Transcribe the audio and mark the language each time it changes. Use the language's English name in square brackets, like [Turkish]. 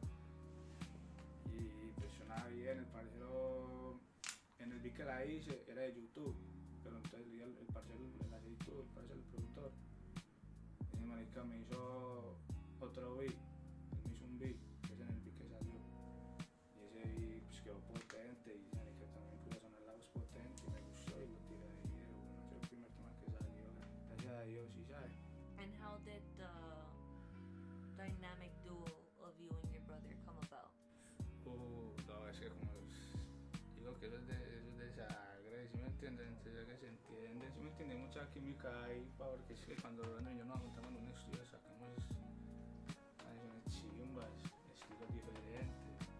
[Spanish] Y pues sonaba bien, el parcero, en el beat que la hice, era de YouTube, pero entonces el parcero, el editor, el parcero, el productor, y el marica me hizo otro beat, él me hizo un beat, que es en el beat que salió. Y pues quedó potente y ya dije también que iba a sonar la voz potente y me gustó y lo tiré de ahí, bueno, fue el primer tema que salió, gracias a Dios, sí, sabe. [English] And how did the dynamic duo of you and your brother come about? [Spanish] No, es que como digo que eso es de sangre, si ¿sí me entienden? Entonces, que se entiende, si ¿sí me entiende? Mucha química ahí, porque es que cuando Rando y yo nos juntamos en un estudio sacamos canciones chimbas, estilos diferentes.